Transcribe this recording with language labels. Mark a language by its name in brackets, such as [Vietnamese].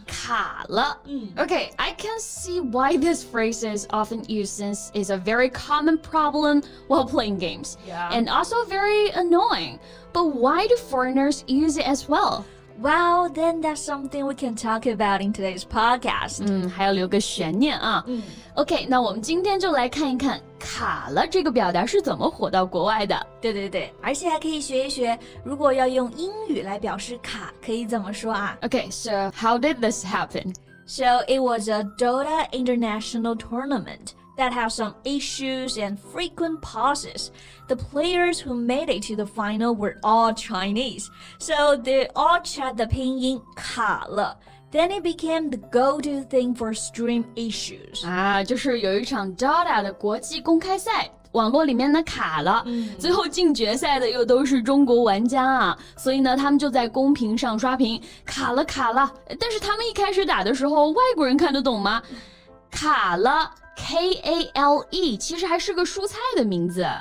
[English] 卡了、Okay, I can see why this phrase is often used since it's a very common problem while playing games、 yeah. and also very annoying, but why do foreigners use it as well? Well, then that's something we can talk about in today's podcast. [Chinese] 还要留个悬念啊。 OK, 那我们今天就来看一看卡了这个表达是怎么火到国外的。对对对，而且还可以学一学如果要用英语来表示卡可以怎么说啊。 [English] OK, so how did this happen? So it was a Dota International Tournament. That have some issues and frequent pauses. The players who made it to the final were all Chinese. So they all chat the pinyin 卡了 Then it became the go-to thing for stream issues. [Chinese] 啊，就是有一场 Dota 的国际公开赛网络里面的卡了、最后进决赛的又都是中国玩家啊，所以呢他们就在公屏上刷屏卡了卡了但是他们一开始打的时候外国人看得懂吗卡了K-A-L-E 其实还是个蔬菜的名字